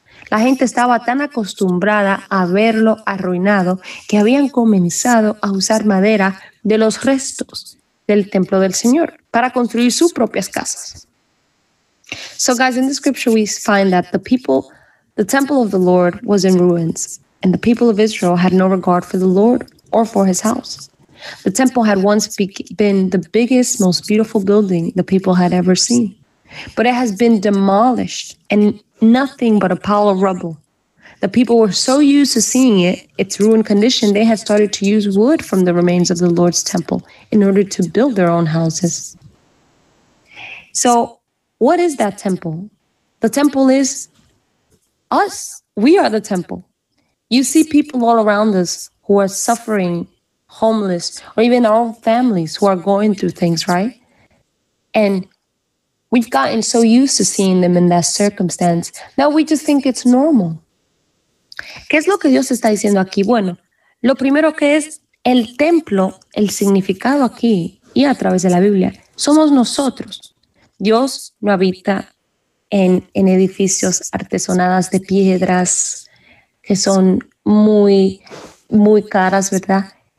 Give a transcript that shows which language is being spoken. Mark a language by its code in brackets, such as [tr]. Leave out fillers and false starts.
[es] La gente estaba tan acostumbrada a verlo arruinado que habían comenzado a usar madera de los restos del templo del Señor para construir sus propias casas. [en] So guys, in the scripture we find that the temple of the Lord was in ruins and the people of Israel had no regard for the Lord or for his house. The temple had once been the biggest, most beautiful building the people had ever seen. But it has been demolished and nothing but a pile of rubble. The people were so used to seeing it, its ruined condition, they had started to use wood from the remains of the Lord's temple in order to build their own houses. So what is that temple? The temple is us. We are the temple. You see people all around us who are suffering, homeless, or even our own families who are going through things, right? And we've gotten so used to seeing them in that circumstance that we just think it's normal. [es] ¿Qué es lo que Dios está diciendo aquí? Bueno, lo primero que es el templo, el significado aquí y a través de la Biblia, somos nosotros. Dios no habita en edificios artesonadas de piedras que son muy, muy caras, ¿verdad?